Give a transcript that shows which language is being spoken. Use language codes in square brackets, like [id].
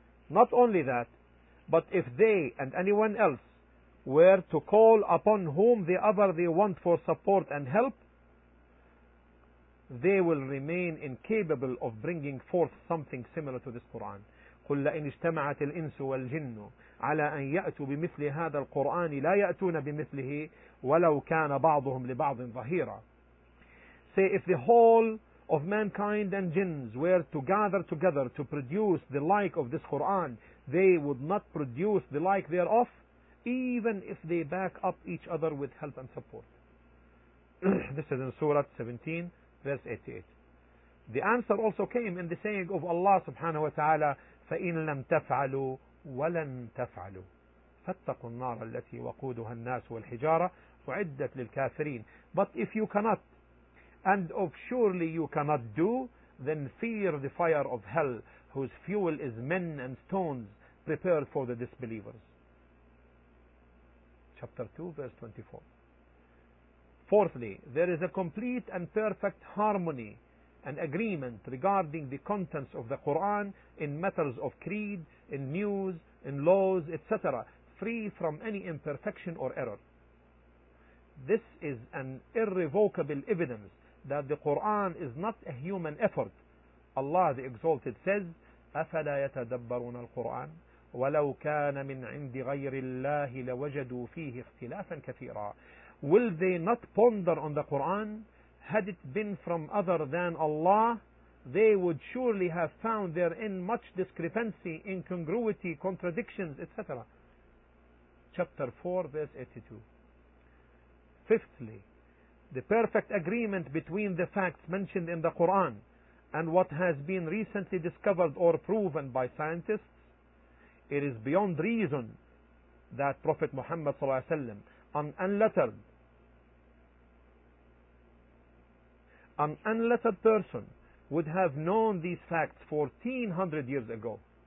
[en] Not only that, but if they and anyone else were to call upon whom the other they want for support and help, they will remain incapable of bringing forth something similar to this Quran. [ar] قل لئن اجتمعت الإنس والجن على أن يأتوا بمثل هذا القرآن لا يأتون بمثله ولو كان بعضهم لبعض ظهيرا. [en] Say, if the whole of mankind and jinns were to gather together to produce the like of this Quran, they would not produce the like thereof, even if they back up each other with help and support. This is in Surah 17, verse 88. The answer also came in the saying of Allah subhanahu wa ta'ala, [ar] فَإِن لَمْ تَفْعَلُوا وَلَنْ تَفْعَلُوا فَاتَّقُوا النَّارَ الَّتِي وَقُودُهَا النَّاسُ وَالْحِجَارَةُ أُعِدَّتْ لِلْكَافِرِينَ. [en] But if you cannot, and of surely you cannot do, then fear the fire of hell, whose fuel is men and stones prepared for the disbelievers. Chapter 2, verse 24. Fourthly, there is a complete and perfect harmony and agreement regarding the contents of the Quran in matters of creed, in news, in laws, etc., free from any imperfection or error. This is an irrevocable evidence that the Quran is not a human effort. Allah the Exalted says, [ar] أَفَلَا يَتَدَبَّرُونَ الْقُرْآنَ وَلَوْ كَانَ مِنْ عِنْدِ غَيْرِ اللَّهِ لَوَجَدُوا فِيهِ اخْتِلَافًا كَثِيرًا. [en] Will they not ponder on the Quran? Had it been from other than Allah, they would surely have found therein much discrepancy, incongruity, contradictions, etc. Chapter 4, verse 82. Fifthly, the perfect agreement between the facts mentioned in the Quran and what has been recently discovered or proven by scientists, it is beyond reason that Prophet Muhammad sallallahu alaihi wasallam, an unlettered person, would have known these facts 1400 years ago.